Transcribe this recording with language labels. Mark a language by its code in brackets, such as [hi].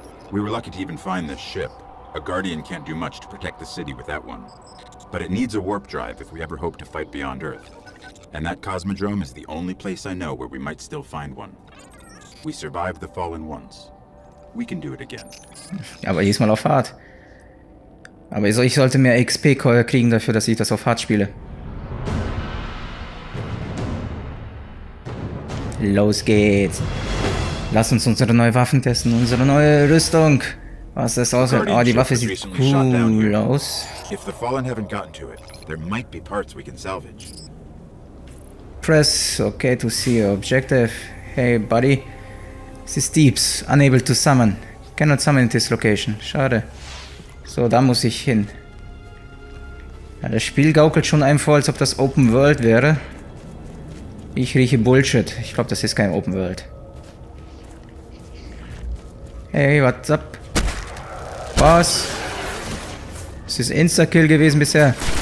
[en] We were lucky to even find this ship. A Guardian can't do much to protect the city without one. But it needs a warp drive if we ever hope to fight beyond Earth. And that Cosmodrome is the only place I know where we might still find one. We survived the Fallen once. We can do it again. [de] Aber diesmal auf hart. Aber ich sollte mehr XP kriegen dafür, dass ich das auf hart spiele. Los geht's. Lass uns unsere neue Waffen testen, unsere neue Rüstung. Was ist aus? Oh, die Waffe sieht cool aus. [en] If the Fallen haven't gotten to it, there might be parts we can salvage. Press OK to see your objective. Hey, buddy. This deeps, unable to summon. Cannot summon in this location. [de] Schade. So, da muss ich hin. Ja, das Spiel gaukelt schon einem vor, als ob das Open World wäre. Ich rieche Bullshit. Ich glaube, das ist kein Open World. [en] Hey, what's up? [de] Was? Es ist Insta-Kill gewesen bisher.